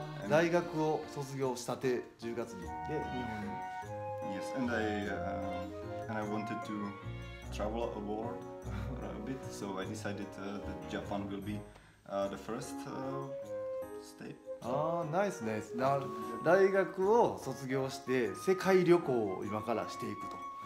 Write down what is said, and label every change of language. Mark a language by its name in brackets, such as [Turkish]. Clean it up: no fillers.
[Japanese] 大学を卒業したて10月に。で、日本に。 [English] Yes, and I wanted to travel abroad a bit, so I decided that Japan will be the first state. [Japanese] ああ、ナイスナイス。大学を卒業して世界旅行を今からしていくと。